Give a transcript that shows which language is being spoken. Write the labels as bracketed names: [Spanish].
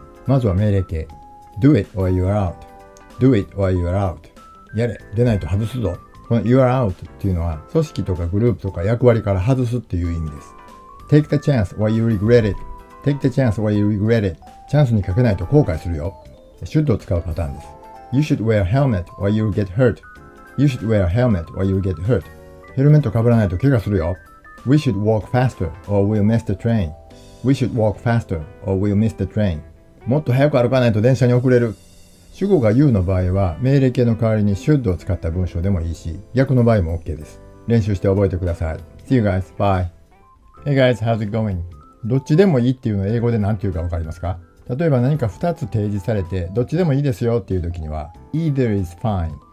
[English] まずは命令形、 do it or you are out. do it or you are out. [Japanese] やれ、出ないと外すぞ。この [English] you are out [Japanese] っていうのは、組織とかグループとか役割から外すっていう意味です。 [English] take the chance or you regret it. take the chance or you regret it. [Japanese] チャンスにかけないと後悔するよ。 should を使うパターンです。 [English] you should wear a helmet or you get hurtYou should wear a helmet or you'll get hurt. [Japanese] ヘルメット被らないと怪我するよ。 [English] We should walk faster or we'll miss the train. We should walk faster or we'll miss the train. [Japanese] もっと早く歩かないと電車に遅れる。主語が you の場合は命令形の代わりに should を使った文章でもいいし、逆の場合も OK です。練習して覚えてください。 [English] See you guys. Bye. Hey guys, how's it going? [Japanese] どっちでもいいっていうのを英語で何て言うかわかりますか？例えば何か2つ提示されて、どっちでもいいですよっていう時には、 [English] Either is fine.